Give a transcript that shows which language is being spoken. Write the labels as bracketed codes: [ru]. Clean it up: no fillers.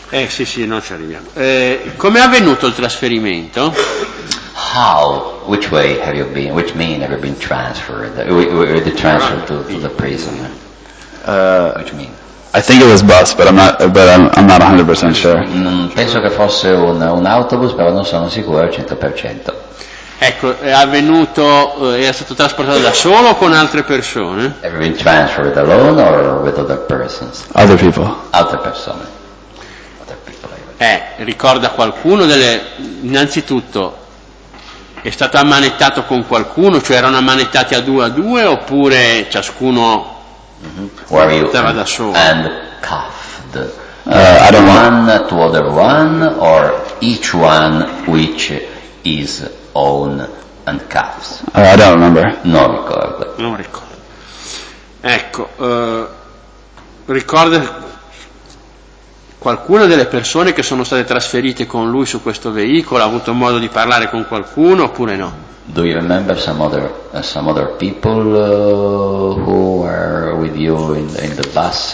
[it] Sì, non ci arriviamo. Come è avvenuto il trasferimento? [en] How? Which way have you been? Which mean have you been transferred? Were the transfer to the prison? Which mean? I think it was bus, but I'm not 100% sure. [it] Penso che fosse un autobus, però non sono sicuro al 100%. Ecco, è avvenuto, è stato trasportato da solo o con altre persone? [en] Have you been transferred alone or with other persons? Other people. [it] Altre persone. [en] Other people. [it] Ricorda qualcuno delle. Innanzitutto, è stato ammanettato con qualcuno, cioè erano ammanettati a due, oppure ciascuno stava da solo? [en] And cuffed. One to other one or each one which is own and cuffs. I don't remember. [it] Non ricordo. Ecco, ricorda qualcuna delle persone che sono state trasferite con lui su questo veicolo, ha avuto modo di parlare con qualcuno oppure no? [en] Do you remember some other people who were with you in the bus?